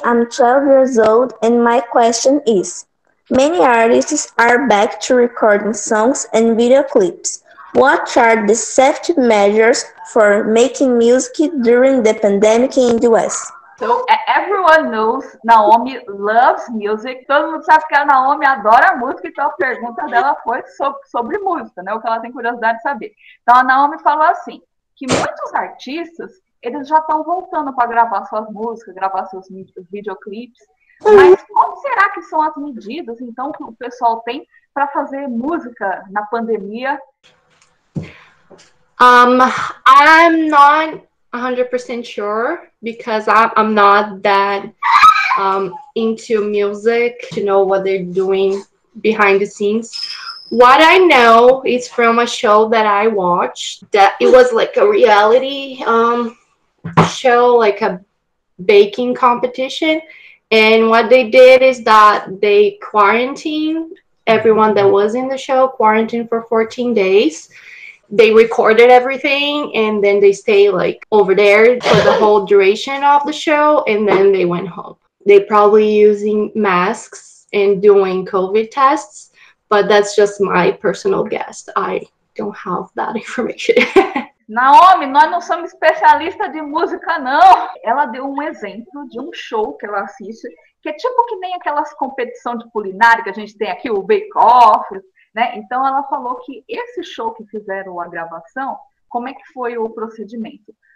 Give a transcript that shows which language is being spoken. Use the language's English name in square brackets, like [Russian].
[English] I'm 12 years old and my question is, many artists are back to recording songs and video clips. What are the safety measures for making music during the pandemic in the US? So, everyone knows Naomi loves music. [Portuguese] Todo mundo sabe que a Naomi adora música, então a pergunta dela foi sobre música, né? O que ela tem curiosidade de saber. Então, a Naomi falou assim, que muitos artistas, eles já estão voltando para gravar suas músicas, gravar seus videoclipes, mas como será que são as medidas, então, que o pessoal tem para fazer música na pandemia? [English] I'm not 100% sure, because I'm not that into music to know what they're doing behind the scenes. What I know is from a show that I watched, that it was like a reality show, like a baking competition, And what they did is that they quarantined everyone that was in the show, quarantined for 14 days. They recorded everything, and then they stay like over there for the whole duration of the show, and then they went home. They probably using masks and doing COVID tests, but that's just my personal guess. I don't have that information. [Portuguese] Naomi, nós não somos especialistas de música, não. Ela deu um exemplo de um show que ela assiste, que é tipo que nem aquelas competições de culinária que a gente tem aqui, o Bake Off, né? Então, ela falou que esse show que fizeram a gravação, como é que foi o procedimento?